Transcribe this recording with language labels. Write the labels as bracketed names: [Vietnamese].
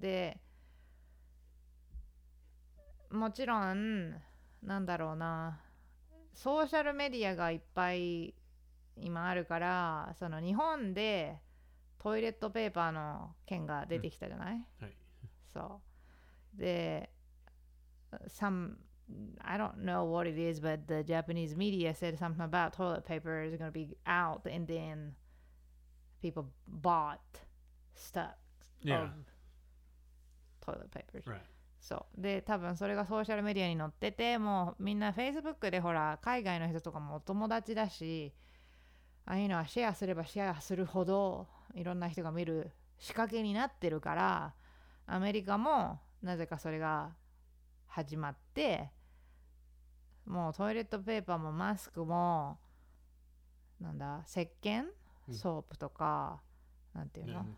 [Japanese] で、もちろん、なんだろうな、ソーシャルメディアがいっぱい今あるから、その日本でトイレットペーパーの件が出てきたじゃない？うん、はい。そう。 [English] で、some I don't know what it is, but the Japanese media said something about toilet paper is going to be out, and then people bought stocks of toilet paper. Right. [Japanese] そう。で、多分それがソーシャルメディアに載ってて、もうみんな Facebook でほら海外の人とかもお友達だし、ああいうのはシェアすればシェアするほどいろんな人が見る仕掛けになってるから、アメリカもなぜかそれが始まってもうトイレットペーパーもマスクもなんだ石鹸、うん、ソープとかなんていうの、